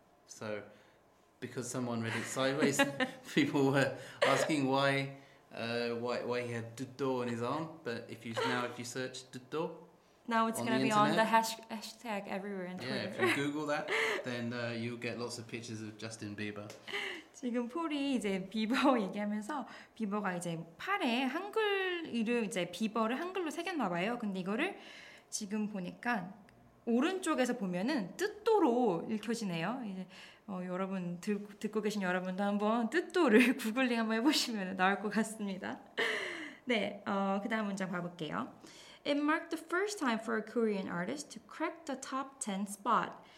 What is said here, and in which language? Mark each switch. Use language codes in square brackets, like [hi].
[en] So, because someone read it sideways, people were asking why he had Dudo on his arm. But if you search Dudo, Now it's going to be on the hashtag everywhere in Twitter. Yeah, if you Google that, then you'll get lots of pictures of Justin Bieber. [ko] 지금 폴이 이제 비버 얘기하면서 비버가 이제 팔에 한글 이름 이제 비버를 한글로 새겼나 봐요. 근데 이거를 지금 보니까 오른쪽에서 보면은 뜻도로 읽혀지네요. 이제 여러분 듣고 계신 여러분도 한번 뜻도를 구글링 한번 해보시면 나올 것 같습니다. 네, 그다음 문장 봐볼게요. [en] It marked the first time for a Korean artist to crack the top 10 spot.